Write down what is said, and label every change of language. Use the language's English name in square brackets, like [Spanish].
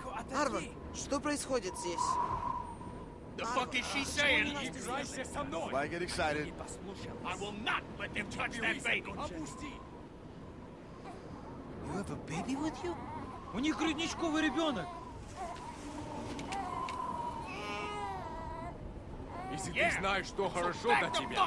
[Russian] Arvo, что происходит здесь? [English] The fuck is she saying? [Russian] Играйся со мной! [English] Why get excited? I will not let them touch that baby! [Russian] Опусти! [English] You have a baby with you? [Russian] У них грудничковый ребенок. Если ты знаешь, что хорошо для тебя,